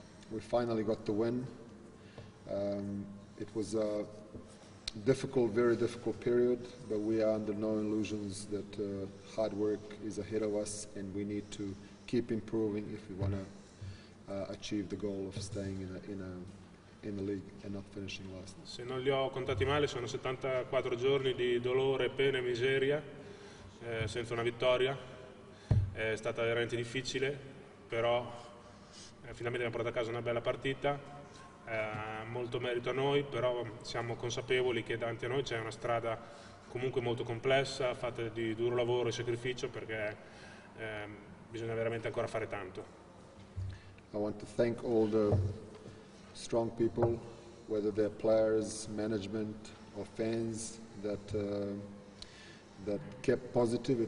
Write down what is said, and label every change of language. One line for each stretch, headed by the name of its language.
English: We finally got the win. It was a difficult, very difficult period, but we are under no illusions that hard work is ahead of us, and we need to keep improving if we want to achieve the goal of staying in the league and not finishing last.
Italian: Se non li ho contati male, sono 74 giorni di dolore, pena e miseria, senza una vittoria. È stata veramente difficile, però finalmente abbiamo portato a casa una bella partita. Molto merito a noi, però siamo consapevoli che davanti a noi c'è una strada comunque molto complessa, fatta di duro lavoro e sacrificio, perché bisogna veramente ancora fare tanto.
English: I want to thank all the strong people, whether they're players, management or fans, that that kept positive.